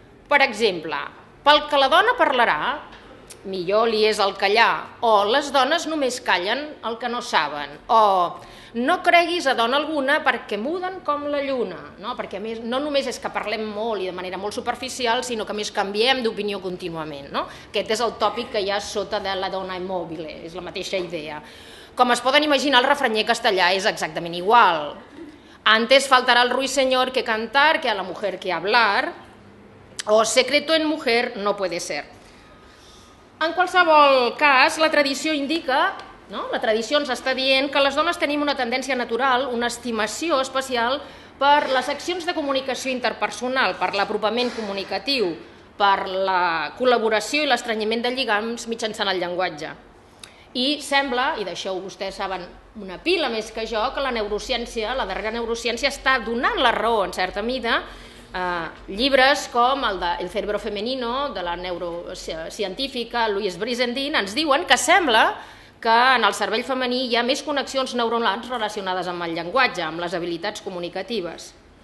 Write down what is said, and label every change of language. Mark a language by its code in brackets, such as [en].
[ca] Per exemple, pel que la dona parlarà, millor li és el callar, o les dones només callen el que no saben, o no creguis a dona alguna perquè muden com la lluna, no? Perquè a més, no només és que parlem molt i de manera molt superficial, sinó que a més canviem d'opinió contínuament, no? Aquest és el tòpic que hi ha sota de la dona immòbile, és la mateixa idea. Com es poden imaginar, el refranyer castellà és exactament igual. [es] Antes faltará el ruiseñor que cantar que a la mujer que hablar, o secreto en mujer no puede ser. [ca] En qualsevol cas, la tradició indica No? La tradició ens està dient que les dones tenim una tendència natural, una estimació especial per les accions de comunicació interpersonal, per l'apropament comunicatiu, per la col·laboració i l'estrenyiment de lligams mitjançant el llenguatge. I sembla, i d'això vostès saben una pila més que jo, que la neurociència, la darrera neurociència, està donant la raó, en certa mida, llibres com el de El cerebro femenino, de la neurocientífica Louise Brizendine, ens diuen que sembla que en el cervell femení hi ha més connexions neuronals relacionades amb el llenguatge, amb les habilitats comunicatives.